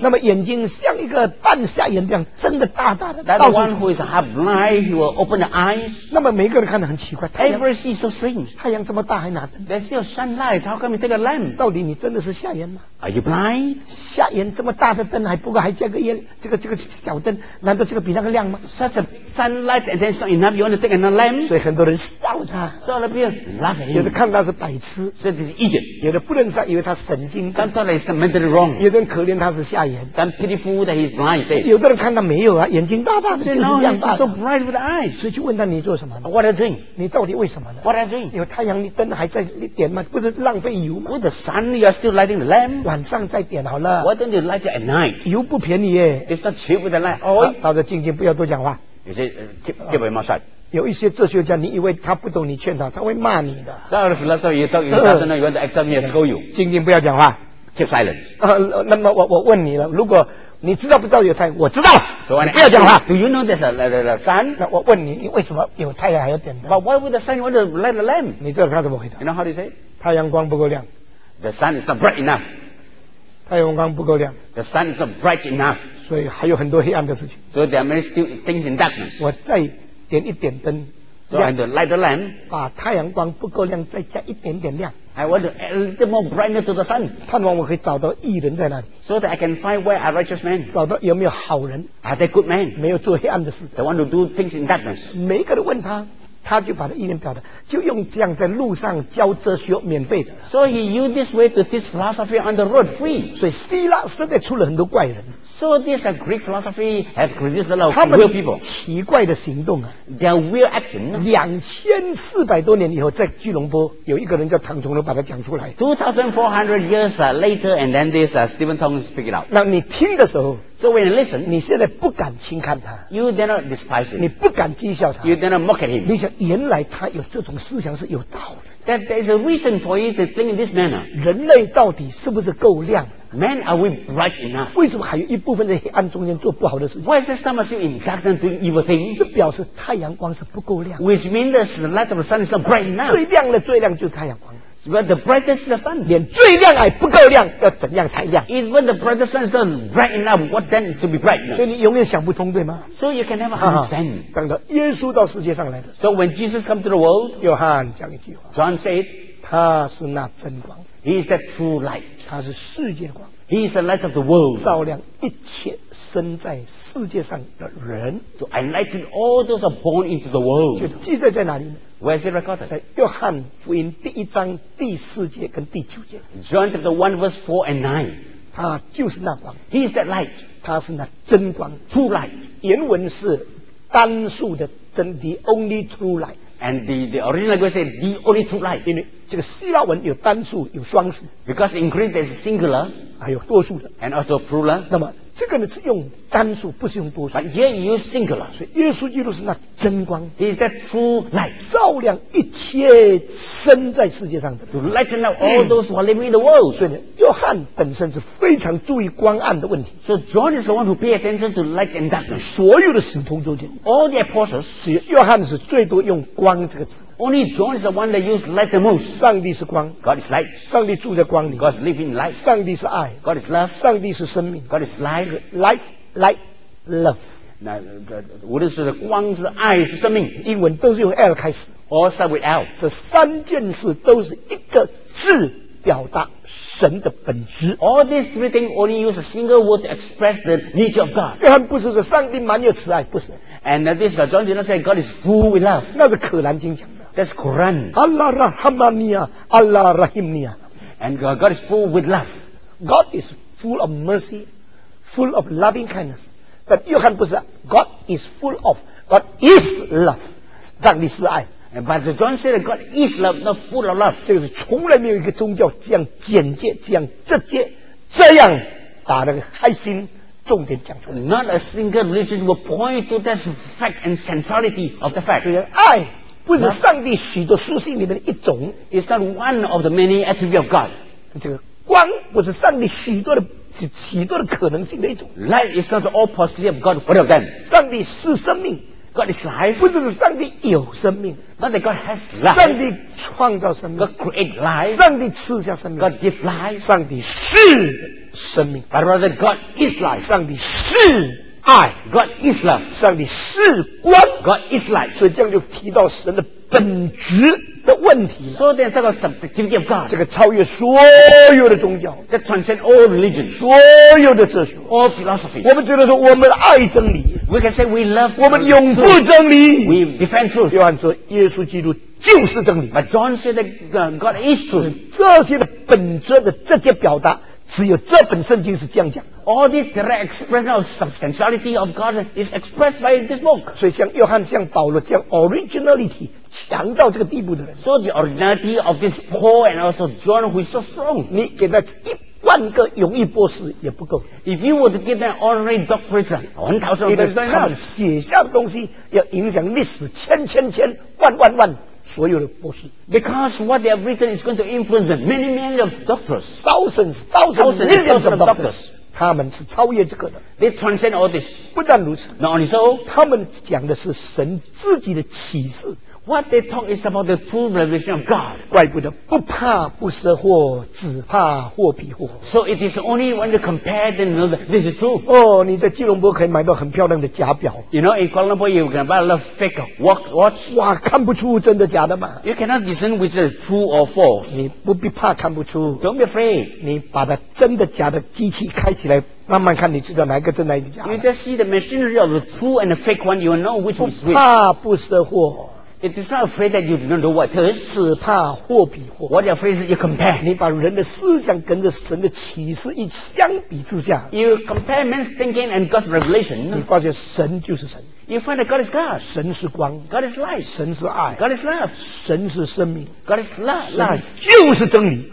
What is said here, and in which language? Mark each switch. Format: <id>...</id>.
<zh>那么眼睛像一个半瞎眼这样睁得大大的。</zh> <en>That one who is half blind, he will open the eyes.</en> <zh>那么每个人看得很奇怪。</zh> <en>Every sees so strange.</en> <zh>太阳这么大还拿灯。</zh> <en>There's still sunlight. How come you take a lamp?</en> <zh>到底你真的是瞎眼吗</zh> <en>？Are you blind?</en> <zh>瞎眼这么大的灯还不够，还加个烟，这个小灯，难道这个比那个亮吗</zh> <en>？Such a sunlight and then it's not enough. You want to take another lamp?</en> <zh>所以很多人笑他。</zh> <en>So the people laugh at him.</en> <zh>有的看他是白痴。有的不认识，以为他神经。</zh> <en>Some thought he's mentally wrong.</en> <zh>有的人可怜他是瞎眼。</zh> <en>Some pitiful that he's blind. Say.</en> <zh>有的人看他没有啊，眼睛大大的，就是这样大。</zh> <en>So bright with the eyes.</en> <zh>所以就问他你做什么呢</zh> <en>？What are you doing?</en> <zh>你到底为什么呢</zh> <en>？What are you doing?</en> <zh>有太阳，你灯还在你点吗？不是浪费油吗</zh> <en>？With the sun, you are still lighting the lamp.</en> <zh>晚上再点好了。</zh> <en>Why don't you light it at night?</en> <zh>油不便宜耶。</zh> <en>It's not cheap with the light. Oh.</en> <zh>到这静静，不要多讲话。</zh> <en>You say, keep your mouth shut.</en> <zh>有一些哲学家，你以为他不懂你劝他，他会骂你的。</zh> <en>Some of the philosophers you talk to, you don't want to accept me and scold you.</en> <zh>静静不要讲话。</zh> <en>Keep silent.</en> <zh>那么我问你了，如果你知道不知道有太阳？我知道。</zh> <en>So、</en> <zh>你不要讲话。</zh> <en>Do you know there's a sun?</en> <zh>那我问你，你为什么有太阳还要点灯</zh> <en>？But why would the sun want to light the lamp?</en> <zh>你知道他怎么回答</zh> <en>？You know how to say?</en> <zh>太阳光不够亮。</zh> <en>The sun is not bright enough.</en> <zh>太阳光不够亮。</zh> <en>The sun is not bright enough.</en> <zh>所以还有很多黑暗的事情。</zh> <en>So there are many still things in darkness.</en> <zh>我在。点一点灯</zh> <en>so I don't light the lamp</en> <zh>把太阳光不够亮再加一点点亮</zh> <en>I want to add a little more brightness to the sun</en> <zh>盼望我可以找到义人在哪里</zh> <en>so that I can find where are righteous men</en> <zh>找到有没有好人</zh> <en>are they good men</en> <zh>没有做黑暗的事</zh> <en>they want to do things in darkness</en> <zh>每个人问他他就把他意念表达就用这样在路上教哲学免费的</zh> <en>so he used this way to teach philosophy on the road free</en> <zh>所以希腊时代出了很多怪人</zh> <en>So this Greek philosophy has produced a lot of weird people.</en> <zh>奇怪的行动啊</zh> <en>Their weird action.</en> <zh>2400多年以后，在巨隆坡有一个人叫唐崇荣把他讲出来</zh> <en>2400 years later, and then this Stephen Tong speak it out.</en> <zh>那你听的时候</zh> <en>，So when you listen,</en> <zh>你现在不敢轻看他</zh> <en>，You dare not despise him.</en> <zh>你不敢讥笑他</zh> <en>，You dare not mock at him.</en> <zh>你想，原来他有这种思想是有道理。</zh> <en>That there is a reason for you to think in this manner.</en> <zh>人类到底是不是够亮？</zh> <en>Man, are we bright enough?</en> <zh>为什么还有一部分在黑暗中间做不好的事情</zh> <en>？Why is there some still in darkness doing evil things?</en> <zh>这表示太阳光是不够亮。</zh> <en>Which means the light of the sun is not bright enough.</en> <zh>最亮的最亮就是太阳光。</zh> <en>when the brightest sun</en> <zh>连最亮还不够亮，要怎样才亮</zh> <en>？Is when the brightest sun bright enough? What then to be bright?</en> <zh>所以你永远想不通，对吗</zh> <en>？So you can never understand.</en> <zh>等到耶稣到世界上来的。</zh> <en>So when Jesus come to the world,</en> <zh>John 讲一句话。</zh> <en>John said,</en> <zh>他是那真光。</zh> <en>He is that true light.</en> <zh>他是世界的光。</zh> <en>He is the light of the world.</en> <zh>照亮一切生在世界上的人。</zh> <en>So enlighten all those are born into the world.</en> <zh>就记载在哪里呢？</zh> <en>Where is it recorded?</en> <zh>在约翰福音第一章第四节跟第九节。</zh> <en>John chapter 1 verse 4 and 9.</en> <zh>他就是那光。</zh> <en>He is that light.</en> <zh>他是那真光。</zh> <en>True light.</en> <zh>原文是单数的真</zh> <en>the only true light. And the original Greek said the only true light.</en> <zh>因为这个希腊文有单数有双数。</zh> <en>Because in Greek there is singular.</en> <zh>还有多数的。</zh> <en>And also plural.</en> <zh>那么这个呢是用单数，不是用多数。</zh> <en>But here you use singular.</en> <zh>所以耶稣基督是那真光。</zh> <en>He is that true light.</en> <zh>照亮一切生在世界上的。</zh> <en>To lighten up all those who are living in the world.</en> <zh>所以呢，约翰本身是非常注意光暗的问题。</zh> <en>So John is the one who pay attention to light and darkness.</en> <zh>所有的使徒都讲。</zh> <en>All the apostles.</en> <zh>所以约翰是最多用光这个词。</zh> <en>Only John is the one that used light the most.</en> <zh>上帝是光。</zh> <en>God is light.</en> <zh>上帝住在光里。</zh> <en>God is living light.</en> <zh>上帝是爱。</zh> <en>God is love.</en> <zh>上帝是生命。</zh> <en>God is life. Light, light, love.</en> <zh>那无论是光是爱是生命，英文都是用 L 开始。</zh> <en>All start with L.</en> <zh>这三件事都是一个字表达神的本质。</zh> <en>All these three things only use a single word to express the nature of God.</en> <zh>约翰不是说上帝满有慈爱，不是。</zh> <en>And this is John did not say God is full with love.</en> <zh>那是可兰经讲。</zh> <en>That's Quran.</en> <ar>Allah rahmaniya, Allah rahimniya.</ar> <en>And God is full with love. God is full of mercy, full of loving kindness. But Yohan puts that God is full of, God is love.</en> <zh>上帝是爱。</zh> <en>But John said that God is love, not full of love.</en> <zh>这个是从来没有一个宗教这样简洁、这样直接、这样把那个核心重点讲出来。</zh> <en>Not a single religion will point to this fact and centrality of the fact.</en> <zh>爱。不是上帝许多属性里面的一种</zh> <en>It's not one of the many attributes of God</en> <zh>这个光不是上帝许多的许多的可能性的一种</zh> <en>Light is not all possibility of God one of them</en> <zh>上帝是生命</zh> <en>God is life</en> <zh>不是上帝有生命</zh> <en>Not that God has life</en> <zh>上帝创造生命</zh> <en>God create life</en> <zh>上帝赐下生命</zh> <en>God give life</en> <zh>上帝是生命</zh> <en>But rather God is life</en> <zh>上帝是爱</zh> <en>God is love</en> <zh>上帝是光</zh> <en>God is light</en> <zh>所以这样就提到神的本质的问题了</zh> <en>So then 这个 subjectivity of God</en> <zh>这个超越所有的宗教</zh> <en>That transcends all religions</en> <zh>所有的哲学</zh> <en>All philosophies</en> <zh>我们觉得说我们爱真理</zh> <en>We can say we love</en> <zh>我们拥护真理</zh> <en>We defend truth</en> <zh>约翰说耶稣基督就是真理</zh> <en>But John said that God is truth</en> <zh>这些的本质的这些表达只有这本圣经是这样讲</zh> <en>All the direct expression of substantiality of God is expressed by this book</en> <zh>所以像约翰像保罗这样 originality 强到这个地步的人</zh> <en>So the originality of this Paul and also John who is so strong</en> <zh>你给他一万个荣誉博士也不够</zh> <en>If you were to give them honorary doctorates 1000 of them</en> <zh>他们写下的东西要影响历史千千千万万万所有的博士</zh> <en>Because what they have written is going to influence many, many of doctors. Thousands, thousands, millions of doctors.</en> <zh>他们是超越这个的。</zh> <en>They transcend all this.</en> <zh>不但如此。</zh> <en>Not only so.</en> <zh>他们讲的是神自己的启示。</zh> <en>What they talk is about the true revelation of God.</en> <zh>怪不得不怕不识货，只怕货比货。</zh> <en>So it is only when you compare them, you know that this is true.</en> <zh>哦，你在吉隆坡可以买到很漂亮的假表。</zh> <en>You know, in Kuala Lumpur, you can buy a lot of fake watch.</en> <zh>哇，看不出真的假的嘛。</zh> <en>You cannot discern which is true or false.</en> <zh>你不必怕看不出。</zh> <en>Don't be afraid.</en> <zh>你把它真的假的机器开起来。慢慢看你知道哪个真哪个假</zh> <en>You just see the machinery of the true and the fake one You will know which is which</en> <zh>不怕不识货</zh> <en>It is not afraid that you do not know what it is</en> <zh>只怕货比货</zh> <en>What you're afraid is you compare</en> <zh>你把人的思想跟着神的启示一相比之下</zh> <en>You compare man's thinking and God's revelation</en> <zh>你发现神就是神</zh> <en>You find that God is God</en> <zh>神是光</zh> <en>God is light</en> <zh>神是爱</zh> <en>God is love</en> <zh>神是生命</zh> <en>God is love</en> <zh>神就是真理</zh>